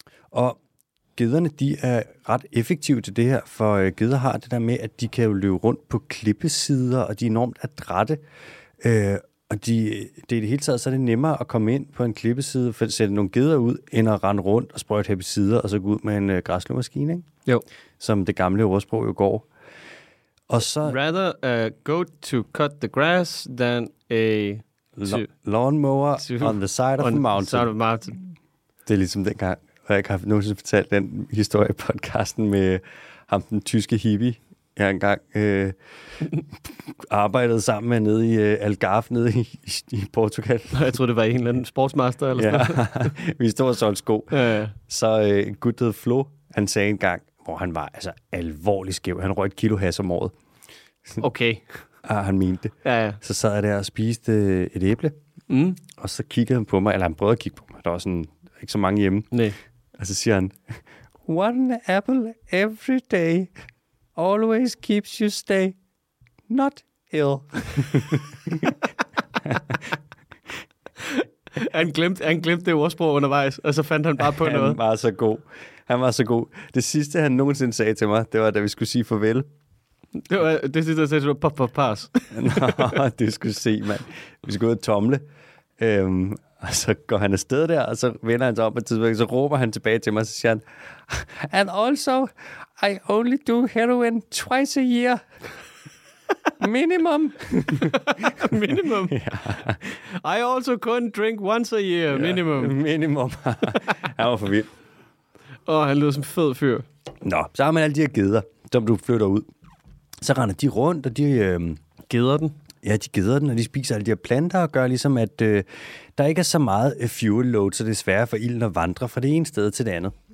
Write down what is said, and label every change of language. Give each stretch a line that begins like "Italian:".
Danish: Og gederne, de er ret effektive til det her, for geder har det der med, at de kan jo løbe rundt på klippesider, og de er enormt adrette. Og det er det hele taget, så er det nemmere at komme ind på en klippeside, for at sætte nogle geder ud, end at rende rundt og sprøjte herbicider, og så gå ud med en græsslåmaskine, ikke? Jo. Som det gamle ordsprog jo går. Og så...
English: Rather go to cut the grass than a... lawnmower on the side of the mountain. Side of the mountain.
Danish: Det er ligesom dengang, hvor jeg ikke har nogensinde fortalt den historie i podcasten med ham, den tyske hippie. Jeg engang arbejdede sammen med nede i Algarve, nede i Portugal. Jeg troede, det var en eller anden sportsmaster. Eller ja, vi stod og solgte sko. Så en gut, der hed Flo, han sagde en gang, hvor han var altså alvorlig skæv. Han røg et kilo has om året. Okay. Og han mente det. Ja, ja. Så sad jeg der og spiste et æble. Mm. Og så kiggede han på mig, eller han prøvede at kigge på mig. Der var sådan ikke så mange hjemme. Nej. Og så siger han, one apple every day.
English: Always keeps you stay not ill.
Danish: han glemte det ordsprog undervejs, og så fandt han bare på han noget. Han var så god. Det sidste, han nogensinde sagde til mig, det var, da vi skulle sige farvel. Det var det sidste, han sagde til mig, pass. Nå, det skulle se, mand. Vi skulle ud og tomle. Og så går han afsted der, og så vender han sig op på et tidspunkt, så råber han tilbage til mig, så siger han, and also, I only do heroin twice a year. Minimum. Minimum. Ja.
English: I also couldn't drink once a year.
Danish: Minimum. Ja, minimum. Han var for vild. Åh, han lød som fed fyr. Nå, så har man alle de her geder, som du flytter ud. Så render de rundt, og de... geder den. Ja, de geder den, og de spiser alle de her planter og gør ligesom, at der ikke er så meget fuel load, så det er sværere for ilden at vandre fra det ene sted til det andet.